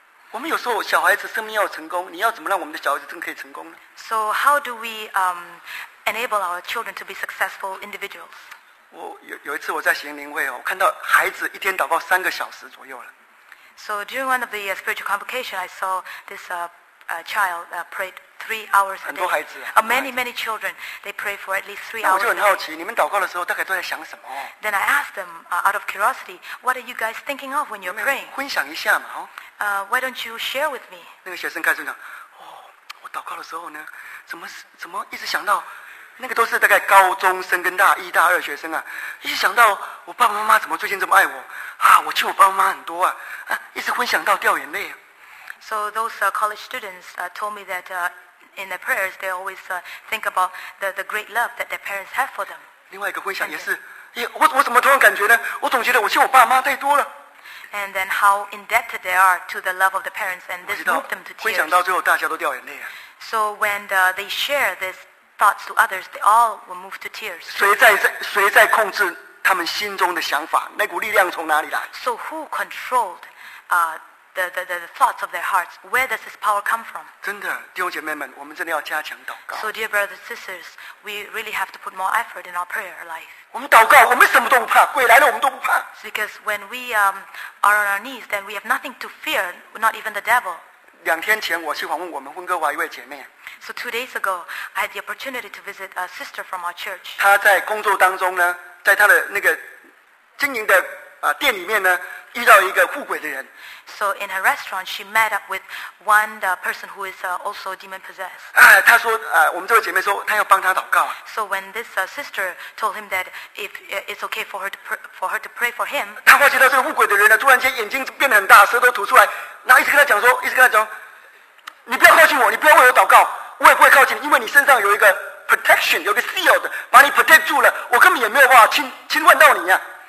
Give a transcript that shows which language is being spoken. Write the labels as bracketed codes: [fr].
[zh] 我们有时候小孩子生命要成功，你要怎么让我们的小孩子真可以成功呢？ [en] So how do we enable our children to be successful individuals? [zh] 我有一次我在行灵会，我看到孩子一天祷告三个小时左右了。 [en] So during one of the spiritual convocation, I saw this child prayed 3 hours a day. [zh] 很多孩子、啊。 [en] Many children, they pray for at least 3 hours. [zh] 我就很好奇，你们祷告的时候大概都在想什么 [en] ？Then I asked them out of curiosity, what are you guys thinking of when you're praying? [zh] 分享一下嘛，哦。 [en] Why don't you share with me? [zh] 那个学生开始讲，哦，我祷告的时候呢，怎么一直想到，那个都是大概高中生跟大一大二学生啊，一直想到我爸爸妈妈怎么最近这么爱我。啊，我欠我爸妈很多啊！啊，一直分享到掉眼泪、啊。 [en] So those college students told me that in their prayers they always think about the great love that their parents have for them. [zh] 另外一个分享也是，我怎么突然感觉呢？我总觉得我欠我爸妈太多了。 [en] And then how indebted they are to the love of the parents, and this moved them to tears. [zh] 分享到最后，大家都掉眼泪、啊。 [en] So when they share these thoughts to others, they all were moved to tears. [zh] 谁在控制？他们心中的想法，那股力量从哪里来 [en] ？So who controlled the thoughts of their hearts. Where does this power come from? [zh] 真的, 弟兄姐妹们, 我们真的要加强祷告。 [en] So dear brothers and sisters, we really have to put more effort in our prayer life. [zh] 我们祷告, 我们什么都不怕, 鬼来了我们都不怕。 [en] It's because when we are on our knees, then we have nothing to fear, not even the devil. [zh] 两天前我去访问我们温哥华一位姐妹。 [en] So 2 days ago, I had the opportunity to visit a sister from our church. [zh] 她在工作当中呢, 在她的那个经营的店里面呢, 遇到一个护鬼的人。 [en] So in her restaurant, she met up with one person who is also demon-possessed. [zh] 她说, 我们这位姐妹说, 她要帮她祷告。 [en] So when this sister told him that if it's okay for her to pray for him, [zh] 她发现到这个护鬼的人呢, 突然间眼睛变得很大, 舌头吐出来, 然后一直跟她讲说, 你不要靠近我, 你不要为我祷告。我也不会靠近你, 因为你身上有一个 protection, 有一个 sealed, 把你 protect 住了, 我根本也没有办法侵犯到你啊。